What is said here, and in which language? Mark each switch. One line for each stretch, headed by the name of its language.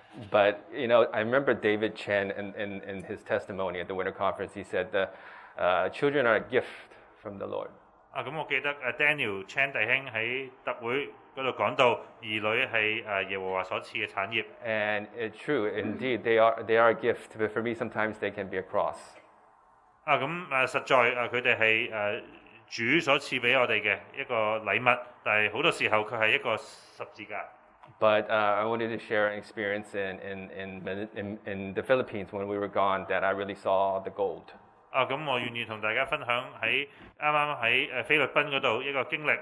English: But you know, I remember David Chen in his testimony at the winter conference. He said the children are a gift from the Lord.
Cantonese: 啊，咁我記得啊 ，Daniel Chen 弟兄喺特會嗰度講到，兒女係啊耶和華所賜嘅產業。
English: And true, indeed, they are a gift. But for me, sometimes they can be a cross.
Cantonese: 啊，咁啊，實在啊，佢哋係啊。主所賜俾我哋嘅一個禮物，但係好多時候佢係一個十字架。
English: But I wanted to share an experience in the Philippines when we were gone that I really saw the gold.
Cantonese: 啊，咁我願意同大家分享喺啱啱喺菲律賓嗰度一個經歷。